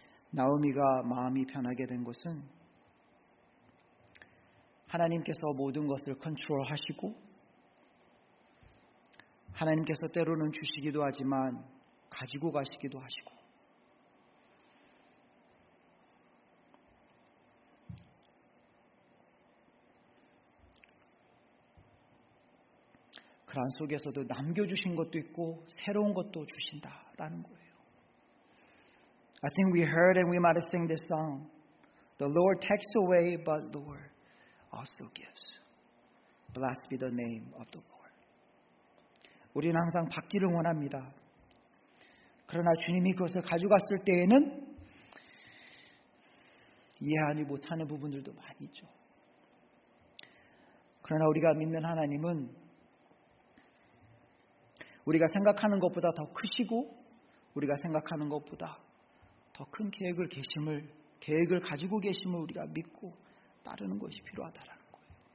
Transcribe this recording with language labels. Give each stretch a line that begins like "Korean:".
Korean: 나오미가 마음이 편하게 된 것은 하나님께서 모든 것을 컨트롤하시고 하나님께서 때로는 주시기도 하지만 가지고 가시기도 하시고 그런 속에서도 남겨주신 것도 있고 새로운 것도 주신다라는 거예요.
English: I think we heard and we might have sing this song. The Lord takes away, but the Lord also gives. Blessed be the name of the Lord.
Korean: 우리는 항상 받기를 원합니다. 그러나 주님이 그것을 가져갔을 때에는 이해하지 못하는 부분들도 많이 있죠. 그러나 우리가 믿는 하나님은 우리가 생각하는 것보다 더 크시고 우리가 생각하는 것보다 더 큰 계획을 가지고 계심을 우리가 믿고 따르는 것이 필요하다라는 거예요.